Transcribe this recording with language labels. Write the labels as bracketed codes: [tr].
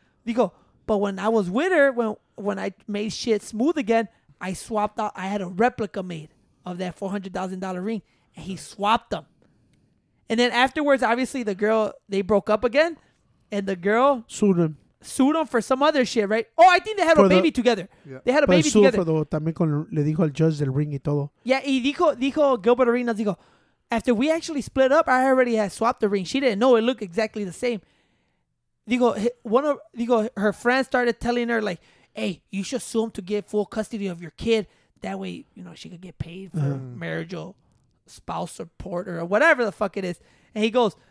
[en] You go, but when I was with her, when I made shit smooth again, I swapped out. I had a replica made of that $400,000 ring, and he swapped them. And then afterwards, obviously, the girl, they broke up again, and the girl sued him for some other shit, right? Oh, I think they had a baby together. Yeah. They had a baby together. [es] También con, le dijo al judge del ring y todo. [en] Yeah, [es] y dijo [en] Gilbert Arenas, [es] dijo, [en] after we actually split up, I already had swapped the ring. She didn't know it looked exactly the same. [es] Dijo, [en] her friend started telling her, like, hey, you should sue him to get full custody of your kid. That way, you know, she could get paid for marital spouse support or whatever the fuck it is. And he goes...